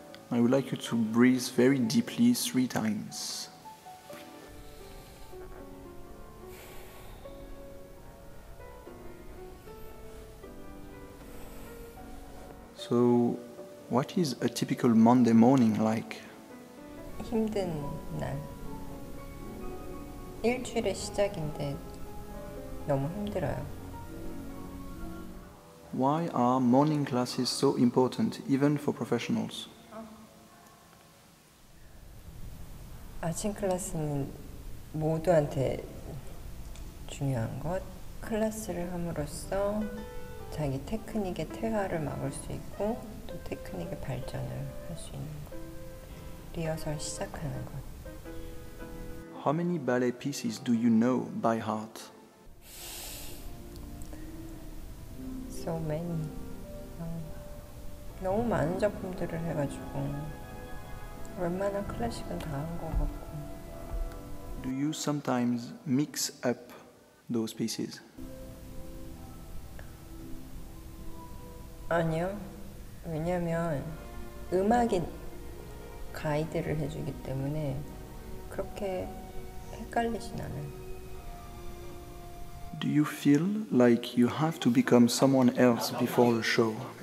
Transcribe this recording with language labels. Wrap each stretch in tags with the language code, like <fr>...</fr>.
<en>I would like you to breathe very deeply 3 times. So, what is a typical Monday morning like?</en> <ko>힘든 날. 일주일의 시작인데 너무 힘들어요.</ko> <en>Why are morning classes so important, even for professionals?</en> <ko>아침 클래스는 모두한테 중요한 것. 클래스를 함으로써 자기 테크닉의 퇴화를 막을 수 있고 또 테크닉의 발전을 할 수 있는 것. 리허설 시작하는 것.</ko> <en>How many ballet pieces do you know by heart? So many.</en> <ko>너무 많은 작품들을 해가지고 웬만한 클래식은 다 한 것 같고.</ko> <en>Do you sometimes mix up those pieces?</en> <ko>아니요. 왜냐면 음악이 가이드를 해주기 때문에 그렇게 헷갈리진 않아요.</ko> <en>Do you feel like you have to become someone else before the show?</en>